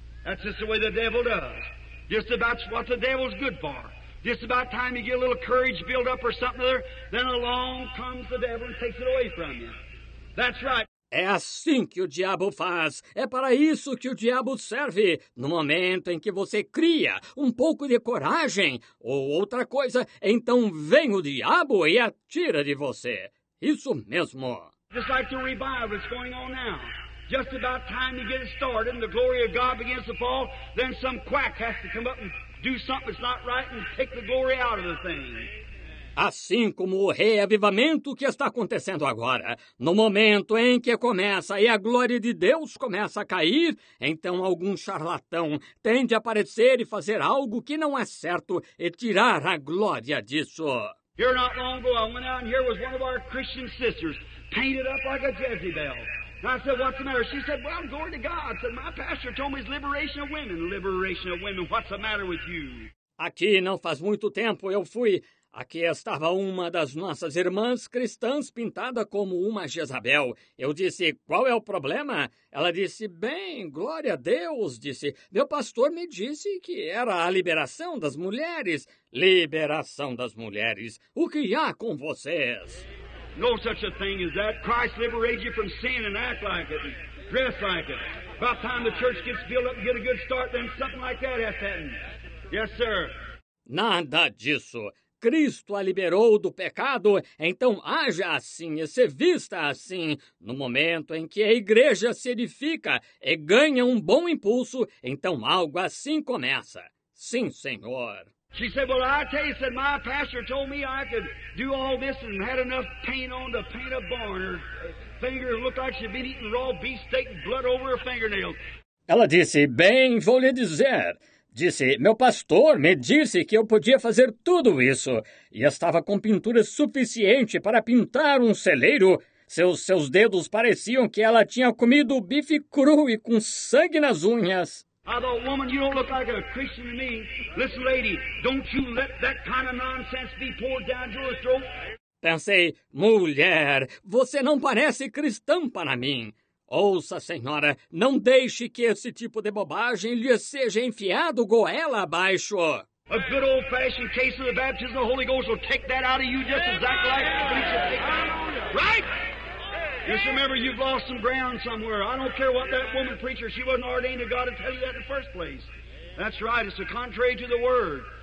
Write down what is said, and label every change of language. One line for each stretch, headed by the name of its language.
English: That's just the way the devil does. Just about what the devil's good for. Just about time you get a little courage built up or something other, then along comes the devil and takes it away from you. That's right.
Portuguese: É assim que o diabo faz. É para isso que o diabo serve. No momento em que você cria um pouco de coragem ou outra coisa, então vem o diabo e atira de você. Isso mesmo.
English: Just like the revival that's going on now. Just about time to get it started and the glory of God begins to fall, then some quack has to come up and do something that's not right and take the glory out of the thing.
Portuguese: Assim como o reavivamento que está acontecendo agora. No momento em que começa e a glória de Deus começa a cair, então algum charlatão tende a aparecer e fazer algo que não é certo e tirar a glória disso.
English: Here not long ago, I went out and here was one of our Christian sisters painted up like a Jezebel. And I said, what's the matter? She said, well, I'm going to God. I said, my pastor told me it's liberation of women. Liberation of women, what's the matter with you?
Portuguese: Aqui não faz muito tempo eu fui. Aqui estava uma das nossas irmãs cristãs pintada como uma Jezabel. Eu disse, qual é o problema? Ela disse, bem, glória a Deus. Disse, meu pastor me disse que era a liberação das mulheres. Liberação das mulheres. O que há com vocês?
English: No such a thing as that. Christ liberated you from sin and act like it. Dress like it. About time the church gets filled up and get a good start, then something like that has happened. Yes, sir.
Portuguese: Nada disso. Cristo a liberou do pecado, então haja assim e se vista assim. No momento em que a igreja se edifica e ganha um bom impulso, então algo assim começa. Sim, senhor.
English: She said, well, I tell you, said my pastor told me I could do all this and had enough paint on to paint a barn. Her finger looked like she'd been eating raw beef steak and blood over her fingernails.
Portuguese: Ela disse, bem, vou lhe dizer. Disse, meu pastor me disse que eu podia fazer tudo isso. E estava com pintura suficiente para pintar um celeiro. Seus dedos pareciam que ela tinha comido bife cru e com sangue nas unhas.
English: I thought, woman, you don't look like a Christian to me. Listen, lady, don't you let that kind of nonsense be poured down your throat.
Portuguese: Pensei, mulher, você não parece cristã para mim. Ouça, senhora, não deixe que esse tipo de bobagem lhe seja enfiado goela abaixo.
English: A good old-fashioned case of the baptism of the Holy Ghost will take that out of you just exactly like it should take it. Right? Just remember, you've lost some ground somewhere. I don't care what that woman preacher, she wasn't ordained to God to tell you that in the first place. That's right, it's the contrary to the word.